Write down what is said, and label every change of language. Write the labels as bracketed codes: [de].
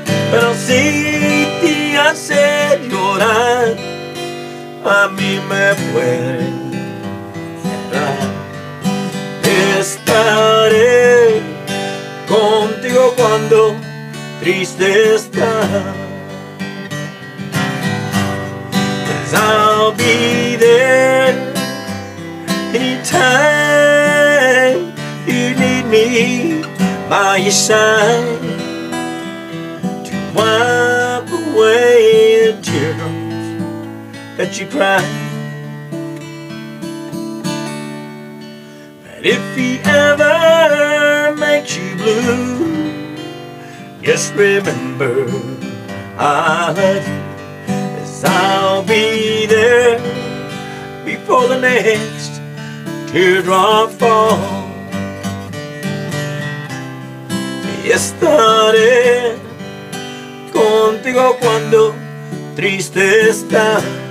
[es] Pero si te hace llorar, a mí me puede llorar. Estaré contigo cuando triste estás. [en] 'Cause I'll be there anytime you need me by your side to wipe away the tears that you cry. If he ever makes you blue, yes, remember I love you, as I'll be there before the next teardrop falls. [es] Estaré contigo cuando triste estás.